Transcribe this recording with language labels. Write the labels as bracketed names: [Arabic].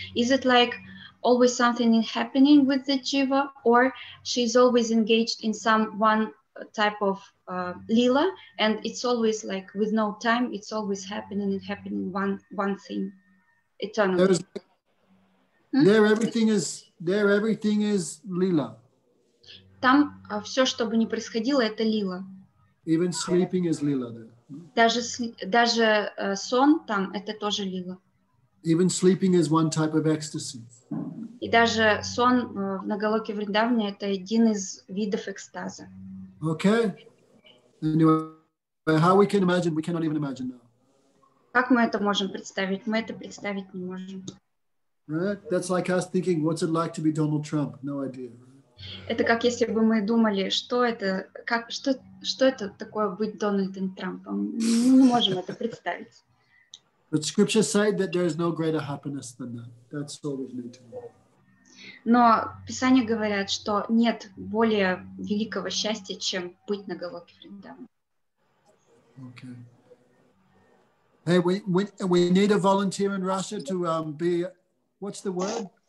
[English] Is it like always something is happening with the Jiva, or she's always engaged in some one type of lila, and it's always like with no time, it's always happening and happening one thing eternally. Everything is lila. [Russian] Там все, что бы ни происходило, это лила. [English] Even sleeping is lila. [Russian] Даже сон там, это тоже лила. [English] Even sleeping is one type of ecstasy. [Russian] И даже сон на Галоке Вриндавне – это один из видов экстаза. [English] Okay. Anyway, how we can imagine, we cannot even imagine now. [Russian] Как мы это можем представить? Мы это представить не можем. [English] Right? That's like us thinking, what's it like to be Donald Trump? No idea. [Russian] Это как если бы мы думали, что это такое быть Дональдом Трампом? Мы не можем это представить. [English] But scriptures say that there is no greater happiness than that. That's all we need to know. [Russian] Но Писания говорят, что нет более великого счастья, чем быть на Галоке Вриндавана. [English] Okay. Hey, we need a volunteer in Russia to be, what's the word?